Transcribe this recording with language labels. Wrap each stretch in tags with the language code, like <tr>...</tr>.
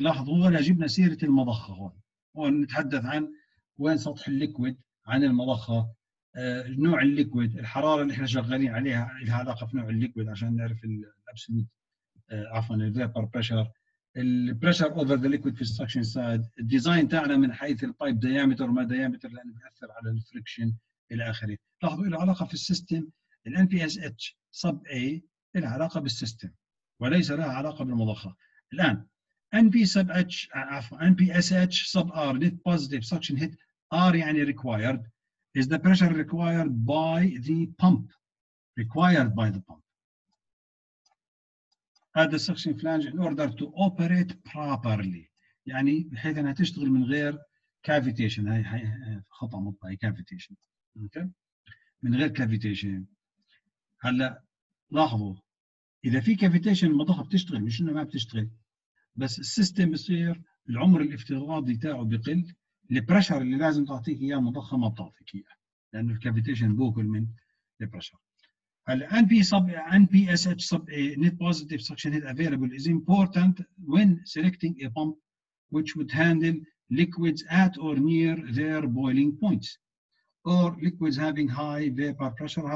<ar>لاحظوا هنا جبنا سيرة المضخة هون، ونتحدث عن وين سطح الليكويد، عن المضخة، نوع الليكويد، الحرارة اللي احنا شغالين عليها لها علاقة في نوع الليكويد عشان نعرف الابسولوت الفابر بريشر،</ar> <en>البريشر over the liquid في السكشن سايد،</en> <ar>الديزاين تاعنا من حيث البايب ديامتر ما ديامتر لانه بيأثر على الفريكشن الى اخره. لاحظوا له علاقه في السيستم، ال NPSH sub A له علاقه بالسيستم وليس لها علاقه بالمضخه. الان</ar> <en>NPSH sub R net positive suction head R</en> <ar>يعني</ar> <en>required is the pressure required by the pump at the suction flange in order to operate properly.</en> <ar>يعني بحيث انها تشتغل من غير cavitation. هاي خطا مطلق، هاي cavitation. من غير cavitation. هلا لاحظوا اذا في cavitation المضخة بتشتغل، مش انه ما بتشتغل، بس السيستم بصير العمر الافتراضي تاعه بقل، البريشر اللي لازم تعطيك اياه المضخة ما بتعطيك اياه لانه cavitation بوكل من البريشر.</ar> <en>NPSH sub A net positive suction head available is important when selecting a pump which would handle liquids at or near their boiling points or liquids having high vapor pressure.</en>